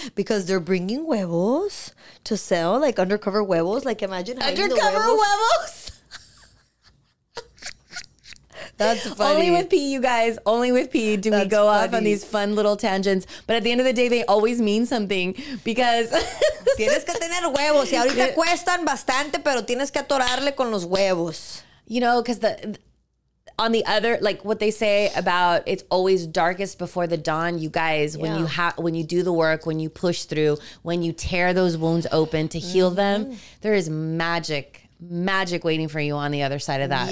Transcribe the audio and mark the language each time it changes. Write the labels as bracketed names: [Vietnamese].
[English] Because they're bringing huevos to sell, like undercover huevos. Like imagine hiding the huevos. Undercover huevos? That's funny. Only with pee, you guys. Only with pee do That's we go funny. Off on these fun little tangents. But at the end of the day, they always mean something because... [Spanish] Tienes que tener huevos. Y ahorita cuestan bastante, pero tienes que atorarle con los huevos. [English] You know, because on the other, like what they say about it's always darkest before the dawn, you guys, yeah. When you do the work, when you push through, when you tear those wounds open to heal mm-hmm. them, there is magic waiting for you on the other side of that.